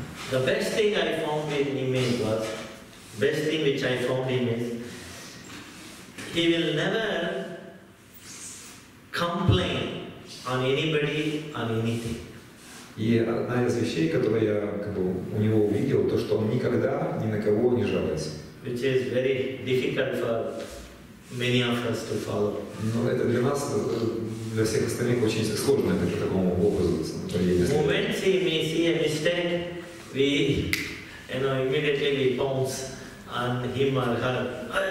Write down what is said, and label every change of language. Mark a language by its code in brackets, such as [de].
[en] The best thing I found in him is what? Best thing which I found in him is he will never complain on anybody, on anything. [ru] И одна из вещей, которую я как бы, у него увидел, то, что он никогда ни на кого не жалуется. [en] Which is very difficult for many of us to follow. [ru] Но это для нас, для всех остальных очень сложно, это такому образу. [en] Moment we may see a mistake, we, you know, immediately we pounce on him or her.